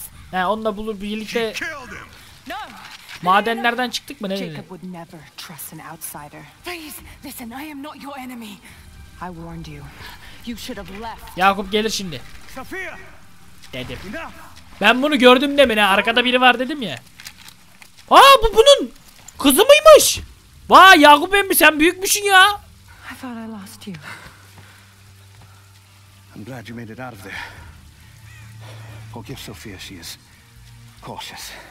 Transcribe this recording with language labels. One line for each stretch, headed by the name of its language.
Turkish: He, onunla bulur birlikte. Madenlerden çıktık mı nereye?
English: Jacob would never trust an outsider. Please listen, I am not your enemy. I warned you. You should have left.
Turkish: Yakup gelir şimdi.
English: Sophia.
Turkish: Dedim. Ben bunu gördüm de mi ne? Arkada biri var dedim ya. Aa, bu bunun kızı mıymış? Vay Yakup emmi, sen büyükmüşsün ya.
English: I thought I lost you. I'm glad you made it out of there. Forgive Sophia, she is cautious.